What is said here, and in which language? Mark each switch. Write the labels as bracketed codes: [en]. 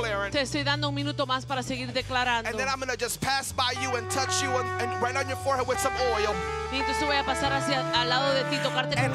[es] Te estoy dando un minuto más para seguir declarando. [en] And then I'm going to just pass by you and touch you and right on your forehead with some oil. [es] Y entonces voy a pasar hacia al lado de ti tocarte con aceite.